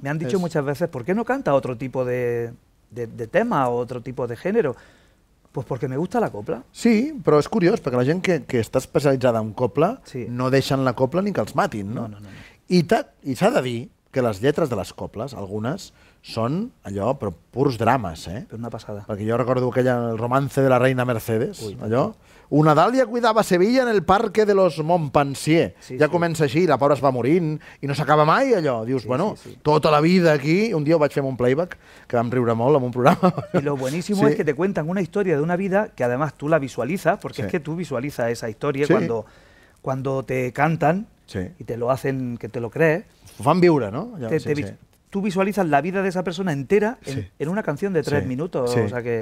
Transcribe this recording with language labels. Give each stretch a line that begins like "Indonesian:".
Spanish: Me han dicho muchas veces, ¿por qué no canta otro tipo de tema o otro tipo de género? Pues porque me gusta la copla.
Catalan: Sí, però és curiós, perquè la gent que està especialitzada en copla sí. no deixen la copla ni que els matin, no? No. I s'ha de dir que les lletres de les coples, algunes, són allò, però purs drames, eh? Però una passada. Perquè jo recordo aquella, el romance de la reina Mercedes, allò.
Spanish: Una dàlia cuidava Sevilla en el parque de los Montpensier.
Catalan: Sí, ja sí. comença així, la pobra es va morint, i no s'acaba mai allò. Dius, sí, bueno, sí, sí. tota la vida aquí, un dia ho vaig fer amb un playback, que vam riure molt amb un programa.
Spanish: I lo buenísimo sí. es que te cuentan una historia de una vida que además tú la visualizas, porque sí. es que tú visualizas esa historia sí. cuando te cantan sí. y te lo hacen, que te lo crees.
Catalan: Ho fan viure, no? Allò, sí.
Spanish: Tú visualizas la vida de esa persona entera sí. en una canción de tres sí. minutos. Sí. O sea que...